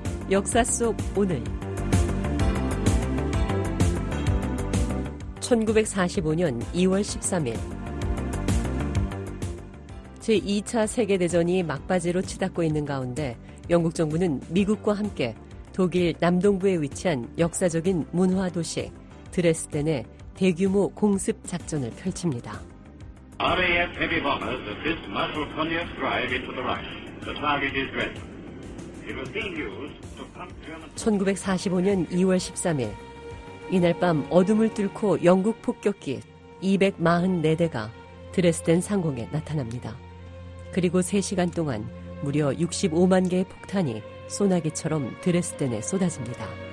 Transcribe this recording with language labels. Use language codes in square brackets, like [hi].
[ko] 역사 속 오늘 1945년 2월 13일 제2차 세계대전이 막바지로 치닫고 있는 가운데 영국 정부는 미국과 함께 독일 남동부에 위치한 역사적인 문화도시 드레스덴에 대규모 공습 작전을 펼칩니다. [en] RAF heavy bombers have this Marshal Konev drive into the Reich. The target is Dresden. It was being used to pump German... [ko] 1945년 2월 13일 이날 밤 어둠을 뚫고 영국 폭격기 244대가 드레스덴 상공에 나타납니다. 그리고 3시간 동안 무려 65만 개의 폭탄이 소나기처럼 드레스덴에 쏟아집니다.